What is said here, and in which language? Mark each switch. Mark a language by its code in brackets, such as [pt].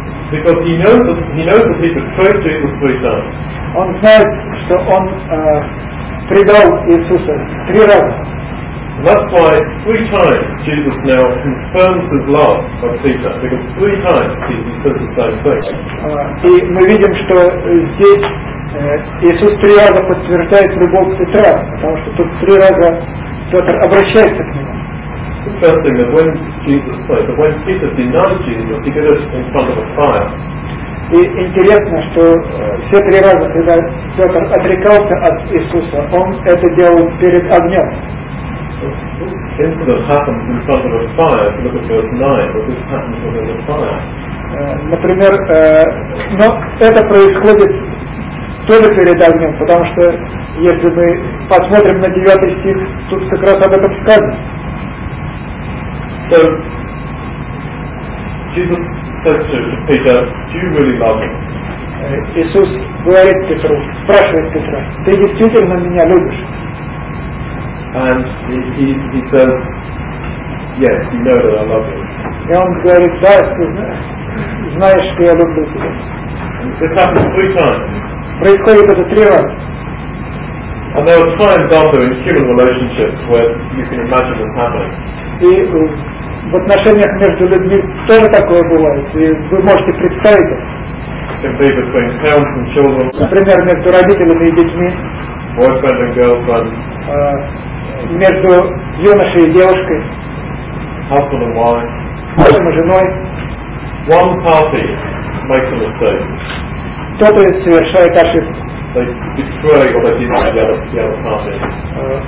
[en] Because he knows that he betrayed Jesus three times. [ru] Он знает, что он предал Иисуса три раза. [en] That's why three times Jesus now confirms his love for Peter, because three times he said the same thing. [ru] И мы видим, что здесь Иисус три раза подтверждает любовь Петра, потому что тут три раза Петр обращается к нему. [en] It's interesting that when Peter denied Jesus, he did it in front of a fire. [ru] И интересно, что все три раза, когда Петр отрекался от Иисуса, он это делал перед огнем. [en] This incident happens in front of a fire. Look at verse 9. But this happens within a fire. [ru] Например, но это происходит тоже перед огнем, потому что если мы посмотрим на 9 стих, тут как раз об этом сказано. [en] So Jesus says to Peter, "Do you really love me?" [ru] Иисус говорит Петру, спрашивает Петра, ты действительно меня любишь? [en] And he says, yes, you know that I love you. [ru] И он говорит, да, ты знаешь, что я люблю тебя. [en] And this happens three times. [ru] Происходит это три раза. [en] And there are times after in human relationships where you can imagine this happening. [ru] И в отношениях между людьми тоже такое бывает, и вы можете представить это. [en] It can be between parents and children. [ru] Например, между родителями и детьми. [en] Boyfriend and girlfriend. [ru] Между юношей и девушкой. [en] Husband and wife. [ru] Мужем и женой. [en] One party makes a mistake. [ru] Кто-то совершает ошибку. [en] They betray or they deny the other party.